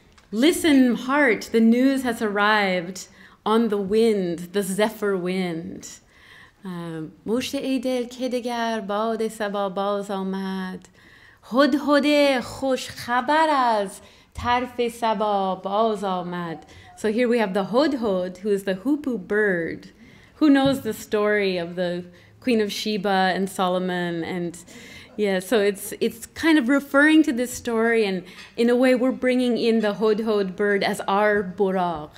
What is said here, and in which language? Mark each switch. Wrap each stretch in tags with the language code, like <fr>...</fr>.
<en>Listen, heart, the news has arrived on the wind, the zephyr wind.</en> <fa>مشتی دل که دگر باد سبا باز آمد هد هد خوش خبر از طرف سبا باز آمد.</fa> <en>So here we have the hood hood, who is the hoopoe bird, who knows the story of the Queen of Sheba and Solomon. And yeah, so it's kind of referring to this story, and in a way we're bringing in the hood hood bird as our Buraq.</en>